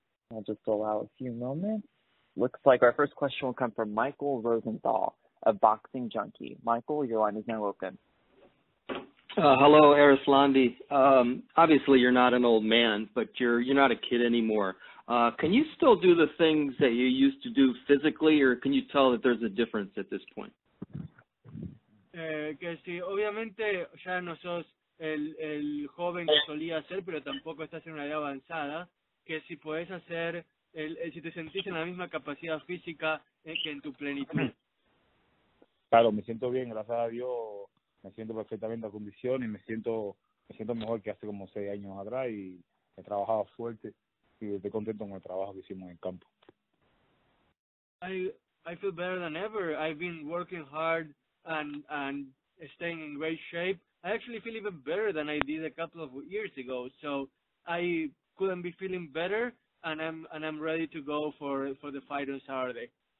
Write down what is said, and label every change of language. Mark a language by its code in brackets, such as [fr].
[en] I'll just allow a few moments. Looks like our first question will come from Michael Rosenthal of Boxing Junkie. Michael, your line is now open. Hello, ERISLANDY. Obviously, you're not an old man, but you're not a kid anymore. Can you still do the things that you used to do physically, or can you tell that there's a difference at this point? [es] Que sí, obviamente ya no sos el joven que solía ser, pero tampoco estás en una edad avanzada. Que si puedes hacer, si te sentís en la misma capacidad física que en tu plenitud. Claro, me siento bien, gracias a Dios. Me siento perfectamente a condición y me siento mejor que hace como 6 años atrás y he trabajado fuerte y estoy contento con el trabajo que hicimos en campo. [en] I feel better than ever. I've been working hard and staying in great shape. I actually feel even better than I did a couple of years ago. So I couldn't be feeling better and I'm ready to go for the fight on Saturday.